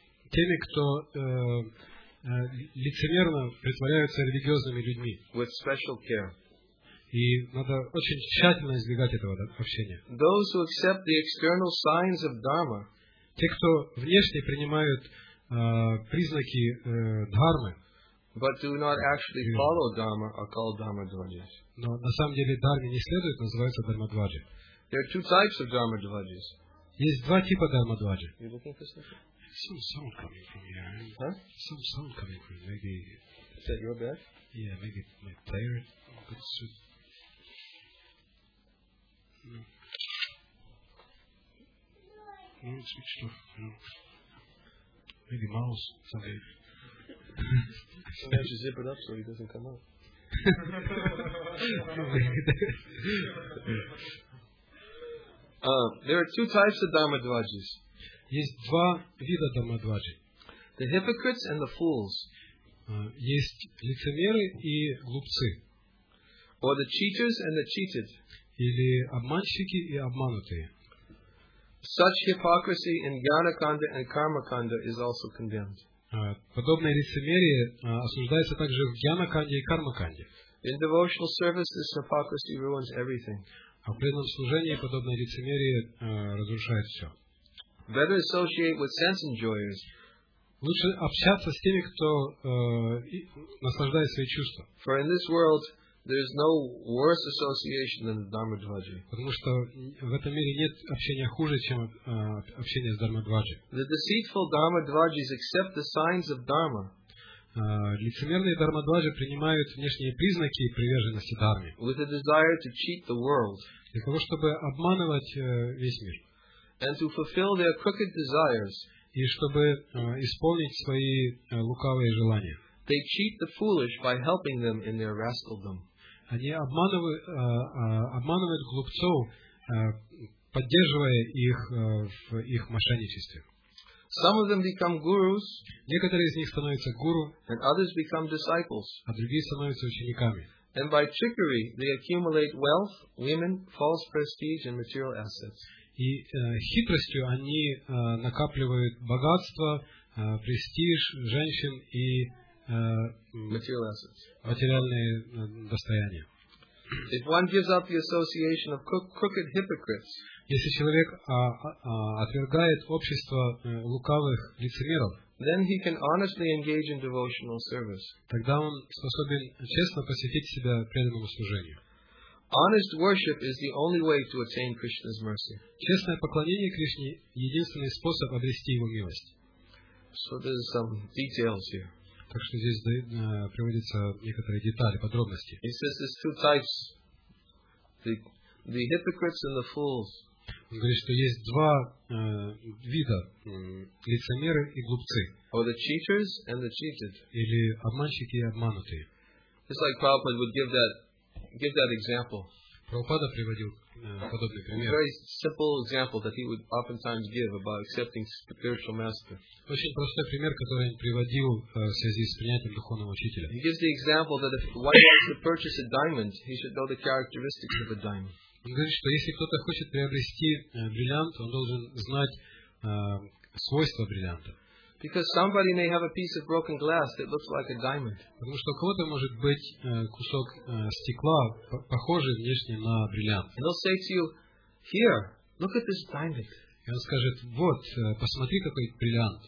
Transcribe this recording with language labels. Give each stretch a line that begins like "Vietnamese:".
Russian: Теми, кто лицемерно притворяются религиозными людьми.
English: With special care.
Russian: И надо очень тщательно избегать этого общения.
English: Those who accept the external signs of Dharma.
Russian: Те, кто внешне принимают признаки дхармы,
English: but do not actually follow dharma are called dharma dvajis.
Russian: Но на самом деле дхарме не следует, называется дхарма дваджи.
English: There are two types of dharma dvajis.
Russian: Есть два типа дхарма дваджи.
English: Are you looking for something? Some sound coming from here. Huh? Some sound coming from maybe. Is that your bed? Yeah, maybe my player. But so. No. Switched off. No. Maybe mouse, something. Why don't you zip it up so he doesn't come out? there are two types of Dharma Dvajis.
Russian: Есть два вида Dharma Dvaji.
English: The hypocrites and the fools.
Russian: Есть лицемеры и глупцы.
English: Or the cheaters and the cheated.
Russian: Или обманщики и обманутые.
English: Such hypocrisy in Gyanakanda and Karmakanda is also condemned.
Russian: Подобное лицемерие осуждается также в Гьянаканде и Кармаканде.
English: In devotional service, this hypocrisy ruins everything.
Russian: А в преданном служении подобное лицемерие разрушает все.
English: Better associate with sense enjoyers.
Russian: Лучше общаться с теми, кто наслаждает свои чувства.
English: For in this world, there is no worse association than Dharma Dvaji.
Russian: Потому что в этом мире нет общения хуже, чем общение с Dharma Dvaji.
English: The deceitful Dharma Dvajis accept the signs of Dharma.
Russian: Лицемерные Dharma Dvaji принимают внешние признаки приверженности Дхарме.
English: With a desire to cheat the world.
Russian: Для того, чтобы обманывать весь мир.
English: And to fulfill their crooked desires.
Russian: И чтобы исполнить свои лукавые желания.
English: They cheat the foolish by helping them in their rascaldom.
Russian: Они обманывают глупцов, поддерживая их в их мошенничестве.
English: Some of them become gurus.
Russian: Некоторые из них становятся гуру.
English: And others become disciples.
Russian: А другие становятся учениками.
English: And by trickery, they accumulate wealth, women, false prestige, and material assets.
Russian: И хитростью они накапливают богатство, престиж, женщин и
English: material assets.
Russian: Материальные достояния.
English: If one gives up the association of crooked hypocrites,
Russian: если человек отвергает общество лукавых лицемеров,
English: then he can honestly engage in devotional service.
Russian: Тогда он способен честно посвятить себя преданному служению.
English: Honest worship is the only way to attain Krishna's mercy.
Russian: Честное поклонение Кришне единственный способ обрести его милость.
English: So there's some details here.
Russian: Так что здесь приводятся некоторые детали, подробности.
English: He says there's two types: the hypocrites and the fools.
Russian: Он говорит, что есть два вида: лицемеры и глупцы.
English: Or the cheaters and the cheated.
Russian: Или обманщики и обманутые.
English: It's like Prabhupada would give that example.
Russian: Прабхупада приводил подобный пример.
English: Very simple example that he would oftentimes give about accepting spiritual master.
Russian: Очень простой пример, который он приводил в связи с принятием духовного учителя.
English: He gives the example that if one wants to purchase a diamond, he should know the characteristics of a diamond.
Russian: Он говорит, что если кто-то хочет приобрести бриллиант, он должен знать свойства бриллианта.
English: Because somebody may have a piece of broken glass that looks like a diamond.
Russian: Потому что у кого-то может быть кусок стекла, похожий внешне на бриллиант.
English: And he'll say to you, "Here, look at this diamond."
Russian: И он скажет: "Вот, посмотри, какой бриллиант."